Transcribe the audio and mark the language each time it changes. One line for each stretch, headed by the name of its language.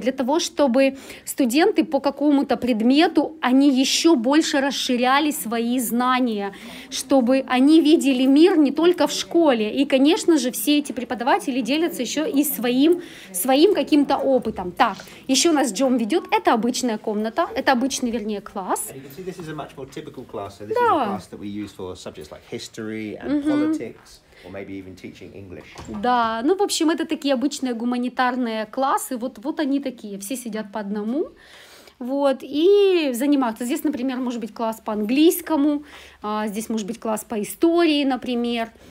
Russian: Для того, чтобы студенты по какому-то предмету, они еще больше расширяли свои знания, чтобы они видели мир не только в школе. И, конечно же, все эти преподаватели делятся еще и своим каким-то опытом. Так, еще у нас Джон ведет. Это обычная комната. Это обычный, вернее, класс.
English: And you can see this is a much more typical class. So this is a class that we use for subjects like history and politics. Or maybe even teaching English.
Russian: Да, ну, в общем, это такие обычные гуманитарные классы. Вот они такие. Все сидят по одному. Вот, и занимаются. Здесь, например, может быть класс по английскому. Здесь может быть класс по истории, например.